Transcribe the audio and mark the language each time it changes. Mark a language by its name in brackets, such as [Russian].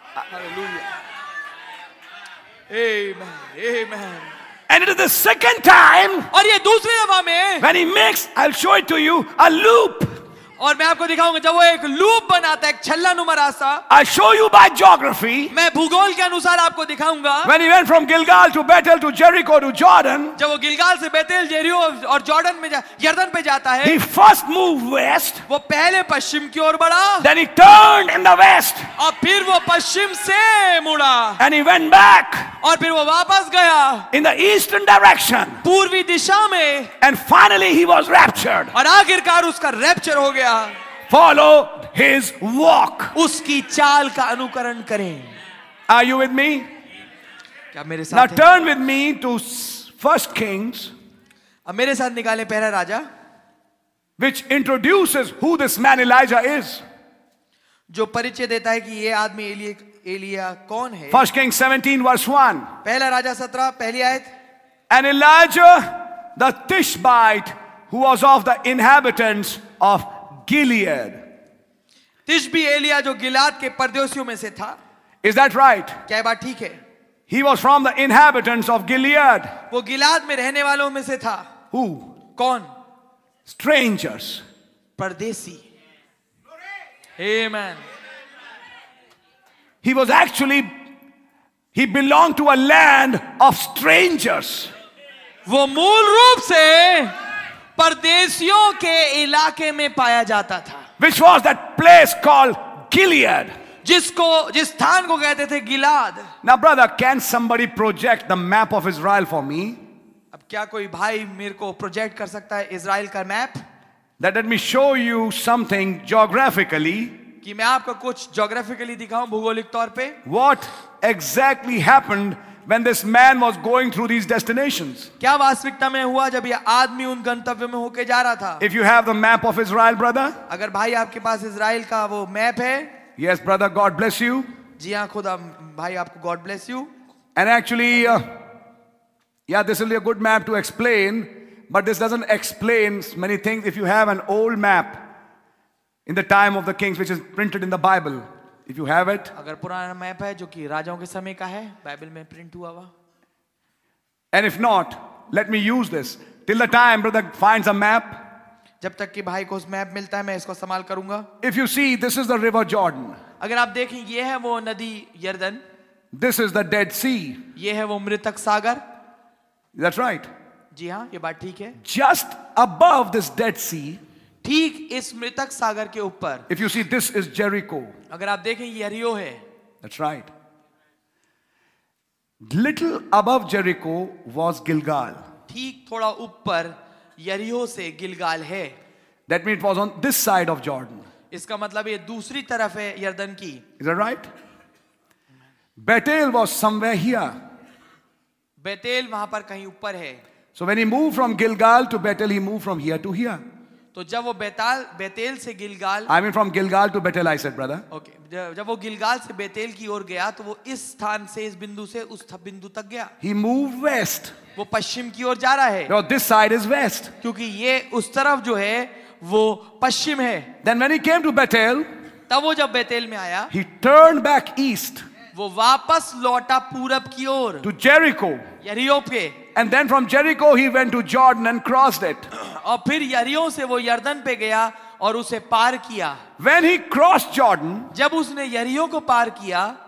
[English] Hallelujah. Amen. Amen. And it is the second time. [Hindi] और ये दूसरी दफा में. [English] When he makes, I'll show it to you, a loop. [Hindi] और मैं आपको दिखाऊंगा जब वो एक लूप बनाता है, एक छल्लानुमा रास्ता. [English] I'll show you by geography. [Hindi] मैं भूगोल के अनुसार आपको दिखाऊंगा. [English] When he went from Gilgal to Bethel to Jericho to Jordan. [Hindi] जब वो गिलगाल से बेतेल, जेरियो और जॉर्डन में यर्दन पे जाता है. [English] He first moved west. [Hindi] वो पहले पश्चिम की ओर बढ़ा. [English] Then he turned in the west. [Hindi] और फिर वो पश्चिम से मुड़ा. [English] And he went back. [Hindi] और फिर वो वापस गया. [English] In the eastern direction. [Hindi] पूर्वी दिशा में. [English] And finally he was raptured. [Hindi] और आखिरकार उसका रैप्चर हो गया. [English] Follow his walk. [Hindi] उसकी चाल का अनुकरण करें. [English] Are you with me? [Hindi] क्या मेरे साथ? [English] Now turn with me to First Kings. [Hindi] अब मेरे साथ निकालें पहला राजा. [English] Which introduces who this man Elijah is. [Hindi] जो परिचय देता है कि ये आदमी एलिया कौन है. [English] First Kings 17 verse 1. [Hindi] पहला राजा 17 पहली आयत. [English] And Elijah the Tishbite who was of the inhabitants of Gilead. [Hindi] Tishbi Elia जो गिलाद के परदेशियों में से था. [English] Is that right? [Hindi] क्या बात ठीक है? [English] He was from the inhabitants of Gilead. [Hindi] वो गिलाद में रहने वालों में से था. [English] Who? [Hindi] कौन? [English] Strangers. [Hindi] परदेशी. Amen. [English] He was actually, he belonged to a land of strangers. [Hindi] वो मूल रूप से परदेशियों के इलाके में पाया जाता था. [English] Which was that place called Gilead. [Hindi] जिसको जिस स्थान को कहते थे गिलाद. [English] Now brother, can somebody project the map of Israel for me? [Hindi] अब क्या कोई भाई मेरे को प्रोजेक्ट कर सकता है इज़राइल का map? [English] That let me show you something geographically. [Hindi] कि मैं आपको कुछ ज्योग्राफिकली दिखाऊं भौगोलिक तौर पे. [English] What exactly happened when this man was going through these destinations? [Hindi] क्या वास्तविकता में हुआ जब ये आदमी उन गंतव्य में होके जा रहा था? [English] If you have the map of Israel, brother. [Hindi] अगर भाई आपके पास इज़राइल का वो मैप है. [English] Yes, brother. God bless you. [Hindi] जी हाँ खुदा भाई आपको [English] God bless you. And actually, yeah, this will be a good map to explain, but this doesn't explain many things. If you have an old map. In the time of the kings, which is printed in the Bible, if you have it. [Hindi] अगर पुराना map है जो कि राजाओं के समय का है, बाइबल में प्रिंट हुआ हुआ. [English] And if not, let me use this till the time brother finds a map. [Hindi] जब तक कि भाई को उस मैप मिलता है, मैं इसको इस्तेमाल करूँगा. [English] If you see, this is the River Jordan. [Hindi] अगर आप देखें, ये है वो नदी यर्दन. [English] This is the Dead Sea. [Hindi] ये है वो मृतक सागर. [English] That's right. [Hindi] जी हाँ, ये बात ठीक है. [English] Just above this Dead Sea. [Hindi] ठीक इस मृतक सागर के ऊपर. [English] If you see, this is Jericho. [Hindi] अगर आप देखें, यरियो है. [English] That's right. Little above Jericho was Gilgal. [Hindi] ठीक थोड़ा ऊपर यरियो से गिलगाल है. [English] That means it was on this side of Jordan. [Hindi] इसका मतलब ये दूसरी तरफ है यर्दन की. [English] Is that right? Bethel was somewhere here. [Hindi] Bethel वहां पर कहीं ऊपर है. [English] So when he moved from Gilgal to Bethel, he moved from here to here. [Hindi] तो जब वो बेताल बेतेल से Gilgal. [English] I mean from Gilgal to Bethel, I said, brother. Okay. [Hindi] जब वो गिलगाल से बेतेल की ओर गया तो वो इस स्थान से इस बिंदु से उस बिंदु तक गया. [English] He moved west. [Hindi] वो पश्चिम की ओर जा रहा है. [English] Now this side is west. [Hindi] क्योंकि ये उस तरफ जो है वो पश्चिम है. [English] Then when he came to Bethel. [Hindi] तब वो जब बेतेल में आया. [English] He turned back east. [Hindi] वो वापस लौटा पूरब की ओर. [English] To Jericho. [Hindi] यरियो पे. [English] And then from Jericho he went to Jordan and crossed it. [Hindi] और फिर यरियो से वो यर्दन पे गया और उसे पार किया. [English] When he crossed Jordan, [Hindi] जब उसने यरियो को पार किया.